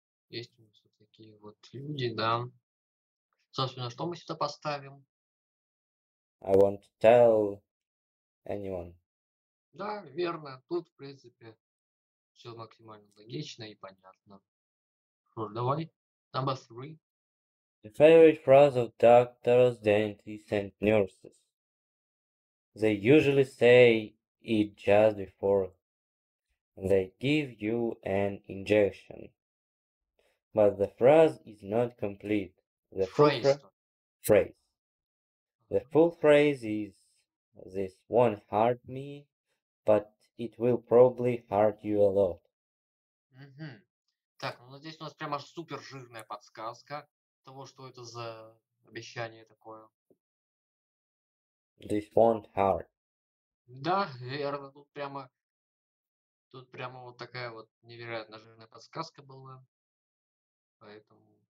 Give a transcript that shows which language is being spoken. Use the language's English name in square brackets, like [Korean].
[Russian] Есть у нас вот такие вот люди, да. Собственно, что мы сюда поставим? [English] I won't tell anyone. [Russian] Да, верно. Тут, в принципе, все максимально логично и понятно. Что ж, давай. [English] Number three. The favorite phrase of doctors, dentists and nurses. They usually say it just before they give you an injection. But the phrase is not complete. The phrase. The full phrase is, this won't hurt me, but it will probably hurt you a lot. Mm-hmm. [Russian] Так, ну здесь у нас прямо супер жирная подсказка того, что это за обещание такое. [English] This won't hurt. [Russian] Да, верно, тут прямо... Тут прямо вот такая вот невероятно жирная подсказка была. Поэтому...